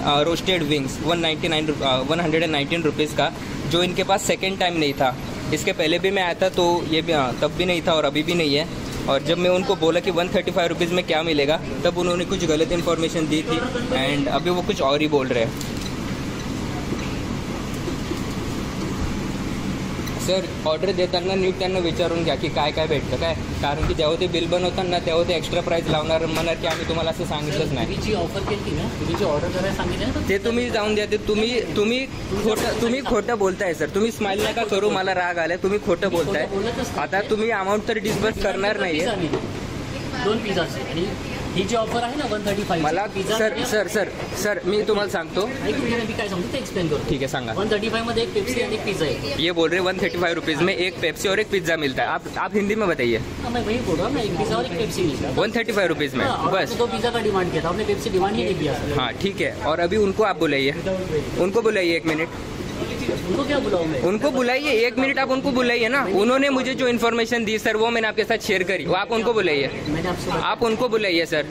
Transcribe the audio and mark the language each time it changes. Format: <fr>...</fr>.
<hi>Roasted wings 119 rupees का, जो इनके पास सेकेंड टाइम नहीं था, इसके पहले भी मैं आया था तो ये भी तब भी नहीं था और अभी भी नहीं है, और जब मैं उनको बोला कि 135 रुपीज़ में क्या मिलेगा तब उन्होंने कुछ गलत इन्फॉर्मेशन दी थी एंड अभी वो कुछ और ही बोल रहे हैं।</hi> <mr>सर ऑर्डर देताना नीट त्यांना विचारून घ्या की काय काय भेटतं काय, कारण की जेव्हा ते बिल बनवताना तेव्हा ते एक्स्ट्रा प्राइस लावणार म्हणणार की आम्ही तुम्हाला असं सांगितलंच नाही, जी ऑफर केली ना तुम्ही जी ऑर्डर कराय सांगितलं ते तुम्ही जाऊन द्या, ते तुम्ही तुम्ही खोटं बोलताय सर, तुम्ही स्माइल नका करू, मला राग आलाय, तुम्ही खोटं बोलताय, आता तुम्ही अमाऊंट तर डिस्बर्स करणार नाहीये, दोन पिझ्झा आणि ही जी ऑफर आहे ना 135 मला सर सर सर सर मी तुम्हाला सांगतो, एक मिनिट मी काय सांगतो ते एक्सप्लेन करतो, ठीक आहे सांगा, 135 मध्ये एक पेप्सी आणि एक पिझ्झा आहे,</mr> <hi>ये बोल रहे 135 रुपीज में एक पेप्सी और एक पिझ्झा मिळता है, आप हिंदी में बताइए, मैं वही बोल रहा हूं ना, एक पिझ्झा और एक पेप्सी मिलता है 135 रुपीज में, बस तो पिझ्झा का डिमांड किया था, आपने पेप्सी डिमांड ही नहीं किया सर, हां ठीक है, और अभी उनको आप बुलाइए, उनको बुलाइए एक मिनट, उनको क्या बुलाऊं मैं, उनको बुलाइए एक मिनट, आप उनको बुलाइए ना, उन्होंने मुझे जो इन्फॉर्मेशन दी सर वो मैंने आपके साथ शेयर करी, आप उनको बुलाइए, आप उनको बुलाइए सर,</hi>